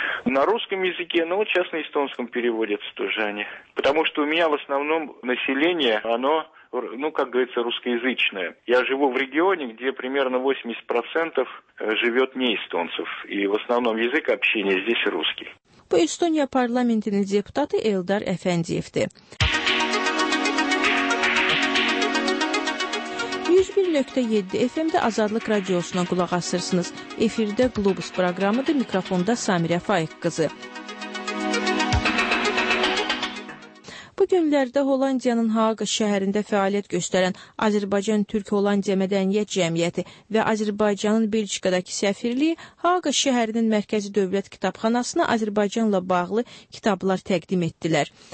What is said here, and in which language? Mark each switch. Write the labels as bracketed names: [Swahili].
[Russian] На русском языке, но вот сейчас на эстонском переводятся тоже они. Потому что у меня в основном население, оно, ну, как говорится, русскоязычное. Я живу в регионе, где примерно 80% живет не эстонцев. И в основном язык общения здесь русский. [Azerbaijani] Bu Estonya parlamentinin deputatı Eldar Efendiyev'di. 101.7 FM'de Azadlık Radyosu'na kulak asırsınız. Efirde Globus programıdır. Mikrofonda Samire Faik kızı. Bu günlərdə Hollandiyanın Haaga şəhərində fəaliyyət göstərən Azərbaycan-Türk-Hollandiya Mədəniyyət Cəmiyyəti və Azərbaycanın Belçikadakı səfirliyi Haaga şəhərinin Mərkəzi Dövlət Kitabxanasına Azərbaycanla bağlı kitablar təqdim etdilər.